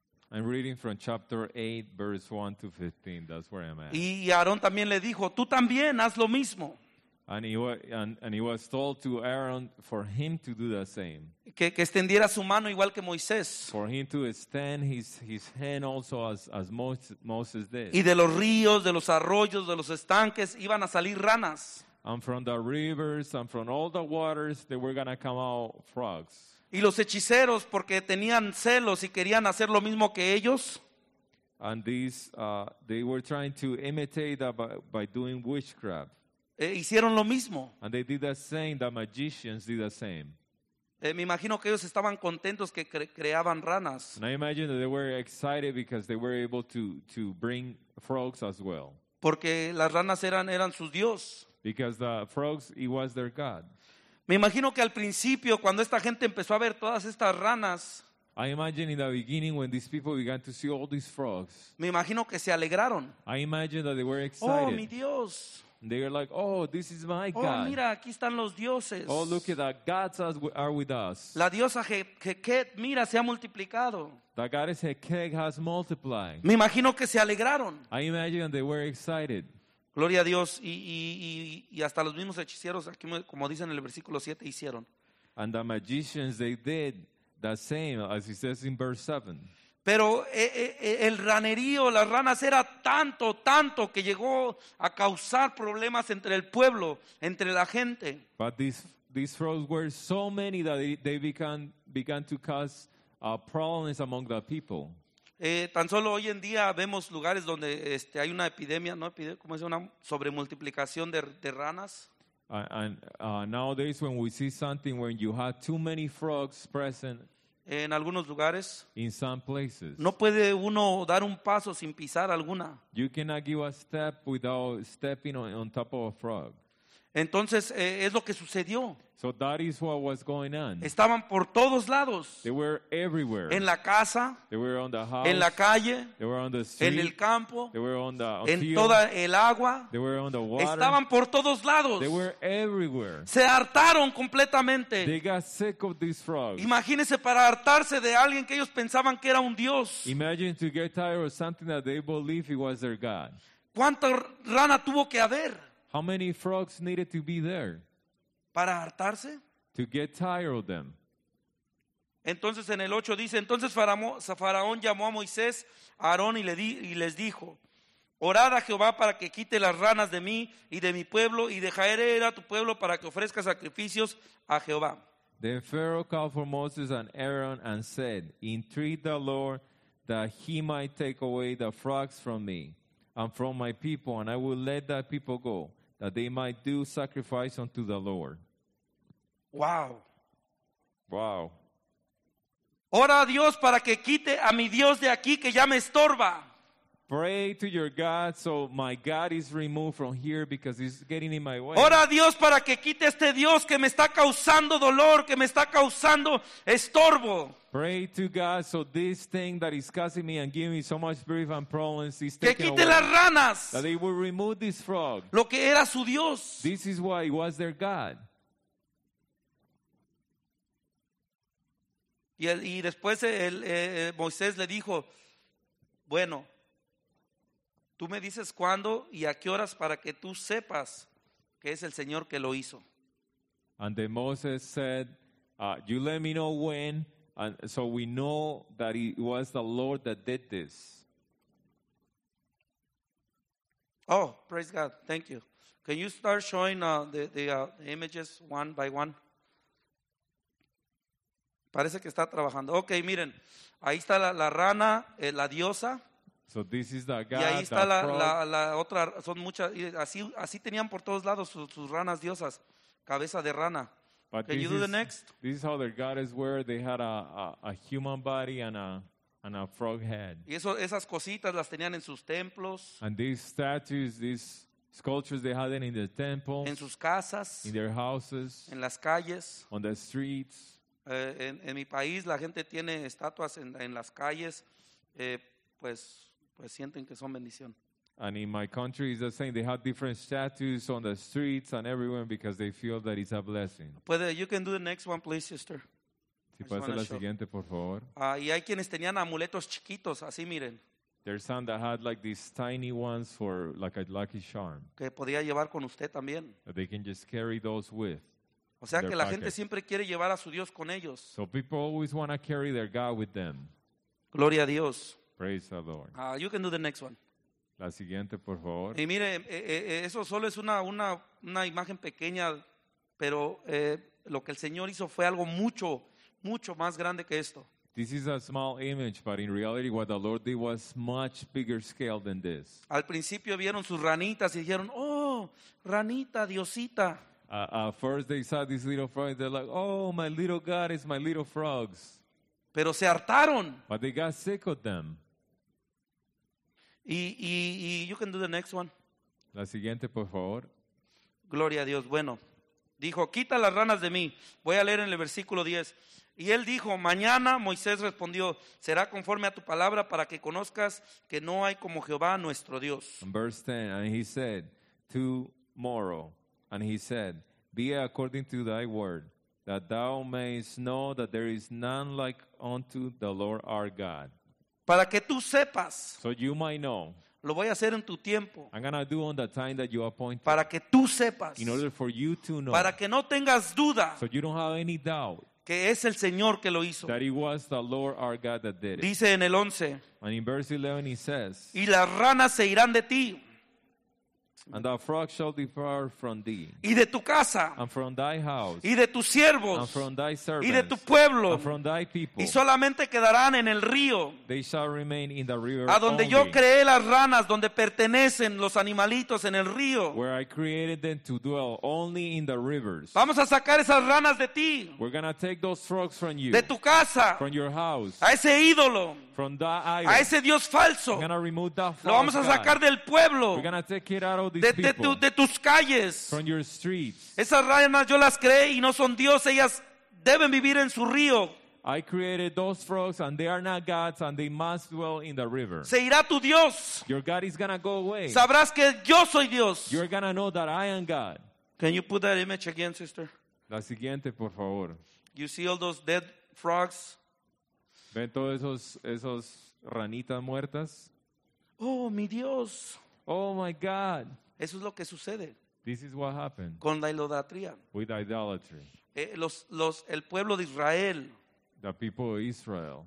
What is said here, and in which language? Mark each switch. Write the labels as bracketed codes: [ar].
[en] I'm reading from chapter 8, verse 1 to 15. That's where I'm at. [es] Y Aarón también le dijo, tú también haz lo mismo. [en] And he was told to Aaron for him to do the same. [es] Que extendiera su mano igual que Moisés. [en] For him to extend his hand also as Moses did. [es] Y de los ríos, de los arroyos, de los estanques iban a salir ranas. [en] And from the rivers and from all the waters, they were going to come out frogs. [es] Y los hechiceros, porque tenían celos y querían hacer lo mismo que ellos. [en] And these, they were trying to imitate that by doing witchcraft. [es] Hicieron lo mismo. [en] And they did the same, the magicians did the same. [es] Me imagino que ellos estaban contentos que creaban ranas. [en] And I imagine that they were excited because they were able to bring frogs as well. [es] Porque las ranas eran sus dios. [en] Because the frogs, it was their god. [es] Me imagino que al principio, cuando esta gente empezó a ver todas estas ranas, [en] I imagine in the beginning when these people began to see all these frogs, [es] me imagino que se alegraron. [en] I imagine that they were excited. [es] Oh, mi Dios. [en] They were like, oh, this is my oh, god. [es] Oh, mira, aquí están los dioses. [en] Oh, look at that, gods are with us. [es] La diosa Heket, mira, se ha multiplicado. [en] The goddess Heket has multiplied. [es] Me imagino que se alegraron. [en] I imagine they were excited. [es] Gloria a Dios, y hasta los mismos hechiceros, aquí como dicen en el versículo 7, hicieron. [en] And the magicians, they did the same, as it says in verse 7. [es] Pero el ranerío, las ranas era tanto, tanto que llegó a causar problemas entre el pueblo, entre la gente. [en] But these frogs were so many that they began to cause problems among the people. [es] Tan solo hoy en día vemos lugares donde hay una epidemia, ¿no? ¿Cómo se llama? Sobremultiplicación de ranas. [en] Nowadays when we see something when you have too many frogs present. [es] En algunos lugares. [en] In some places. [es] No puede uno dar un paso sin pisar alguna. [en] You cannot give a step without stepping on top of a frog. [es] Entonces es lo que sucedió. [en] So that is what was going on. [es] Estaban por todos lados. [en] They were everywhere. [es] En la casa. [en] They were on the house. [es] En la calle. [en] They were on the street. [es] En el campo. [en] They were on the field. [es] En toda el agua. [en] They were on the water. [es] Estaban por todos lados. [en] They were everywhere. [es] Se hartaron completamente. [en] They got sick of these frogs. [es] Imagínese para hartarse de alguien que ellos pensaban que era un dios. [en] Imagine to get tired of something that they believe it was their god. [es] ¿Cuánta rana tuvo que haber? [en] How many frogs needed to be there? [es] Para hartarse? [en] To get tired of them. [es] Entonces en el 8 dice, entonces Faraón llamó a Moisés, a Aarón y les dijo, orad a Jehová para que quite las ranas de mí y de mi pueblo y dejaré ir a tu pueblo para que ofrezca sacrificios a Jehová. [en] Then Pharaoh called for Moses and Aaron and said, entreat the Lord that he might take away the frogs from me. I'm from my people, and I will let that people go, that they might do sacrifice unto the Lord. Wow. Wow. [es] Ora a Dios para que quite a mi Dios de aquí que ya me estorba. [en] Pray to your God so my God is removed from here because he's getting in my way. [es] Ora a Dios para que quite este Dios que me está causando dolor, que me está causando estorbo. [en] Pray to God so this thing that is causing me and giving me so much grief and problems is taken away. [es] Que quite [en] away, [es] las ranas. [en] That he will remove this frog. [es] Lo que era su Dios. [en] This is why it was their God. [es] Y después Moisés le dijo, bueno, tú me dices cuándo y a qué horas para que tú sepas que es el Señor que lo hizo. [en] And then Moses said, you let me know when, and so we know that it was the Lord that did this. Oh, praise God. Thank you. Can you start showing the images one by one? [es] Parece que está trabajando. Okay, miren. Ahí está la rana, la diosa. [en] So this is the God, [es] y ahí está [en] the [es] la, [en] frog. [es] La otra, son muchas, así tenían por todos lados sus ranas diosas, cabeza de rana. [en] But can you do the next? This is how their goddess were. They had a human body and a frog head. [es] Y esas cositas las tenían en sus templos. [en] And these statues, these sculptures, they had in the temples. [es] En sus casas. [en] In their houses. [es] En las calles. [en] On the streets. [es] En mi país la gente tiene estatuas en las calles, pues sienten que son bendición. [en] And in my country, it's the same. They have different statues on the streets and everywhere because they feel that it's a blessing. Puede, you can do the next one, please, sister. [es] Si puede hacer la siguiente, por favor. Y hay quienes tenían amuletos chiquitos, así miren. [en] There's some that had like these tiny ones for like a lucky charm. [es] Que podía llevar con usted también. [en] That they can just carry those with. [es] O sea que la gente siempre quiere llevar a su Dios con ellos. [en] So people always want to carry their God with them. [es] Gloria a Dios. [en] Praise the Lord. You can do the next one. [es] La siguiente, por favor. Y mire, eso solo es una imagen pequeña, pero lo que el Señor hizo fue algo mucho, mucho más grande que esto. [en] This is a small image, but in reality what the Lord did was much bigger scale than this. [es] Al principio vieron sus ranitas y dijeron, oh, ranita, diosita. [en] At first they saw these little frogs, they're like, oh, my little goddess, my little frogs. [es] Pero se hartaron. [en] But they got sick of them. Y you can do the next one. [es] La siguiente, por favor. Gloria a Dios. Bueno, dijo, quita las ranas de mí. Voy a leer en el versículo 10. Y él dijo, mañana, Moisés respondió, será conforme a tu palabra para que conozcas que no hay como Jehová nuestro Dios. [en] Verse 10, and he said, tomorrow, and he said, be according to thy word, that thou mayest know that there is none like unto the Lord our God. [es] Para que tú sepas. [en] So you might know. [es] Lo voy a hacer en tu tiempo. [en] I'm gonna do on the time that you appointed. [es] Para que tú sepas. [en] In order for you to know. [es] Para que no tengas duda. [en] So you don't have any doubt. [es] que es el Señor que lo hizo. [en] That it was the Lord our God that did it. [es] Dice en el 11. [en] And in verse 11 he says, [es] y las ranas se irán de ti. [en] And the frog shall depart from thee. [es] Y de tu casa. [en] And from thy house. [es] Y de tus siervos. [en] And from thy servants. [es] Y de tu pueblo. [en] And from thy people. [es] Y solamente quedarán en el río. [en] They shall remain in the river. [es] A donde [en] only. [es] Yo creé las ranas, donde pertenecen los animalitos en el río. [en] Where I created them to dwell only in the rivers. [es] Vamos a sacar esas ranas de ti. [en] We're gonna take those frogs from you. [es] De tu casa. [en] From your house. [es] A ese ídolo. [en] From that idol. [es] A ese Dios falso. [en] We're gonna remove that false [es] lo vamos a sacar [en] God. [es] Del pueblo. [en] We're gonna take it out of these [es] de, [en] people. [es] De tus calles. [en] From your streets. [es] Esas ranas yo las creé y no son Dios. Ellas deben vivir en su río. [en] I created those frogs and they are not gods and they must dwell in the river. [es] Se irá tu Dios. [en] Your God is gonna go away. [es] Sabrás que yo soy Dios. [en] You're gonna know that I am God. Can you put that image again, sister? [es] La siguiente, por favor. [en] You see all those dead frogs? [es] ¿Ven todos esos ranitas muertas? Oh, mi Dios. [en] Oh, my God. [es] Eso es lo que sucede. [en] This is what happened. [es] Con la idolatría. [en] With idolatry. [es] El pueblo de Israel. [en] The people of Israel.